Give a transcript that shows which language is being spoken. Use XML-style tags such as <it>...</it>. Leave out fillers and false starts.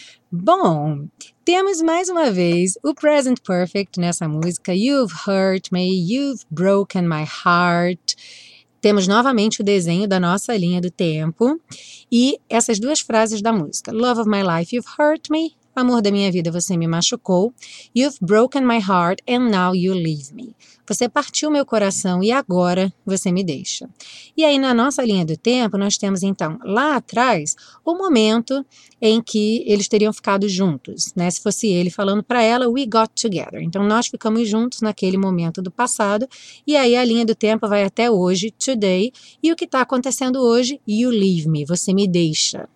<pt>Bom, temos mais uma vez o present perfect nessa música.</pt> <en>You've hurt me, you've broken my heart.</en> <pt>Temos novamente o desenho da nossa linha do tempo. E essas duas frases da música.</pt> <en>Love of my life, you've hurt me.</en> <pt>Amor da minha vida, você me machucou.</pt> <en>You've broken my heart and now you leave me.</en> <pt>Você partiu meu coração e agora você me deixa. E aí na nossa linha do tempo, nós temos então lá atrás o momento em que eles teriam ficado juntos, né? Se fosse ele falando para ela,</pt> <en>we got together.</en> <pt>Então nós ficamos juntos naquele momento do passado e aí a linha do tempo vai até hoje, today, e o que está acontecendo hoje,</pt> <en>you leave me,</en> <pt>você me deixa.</pt>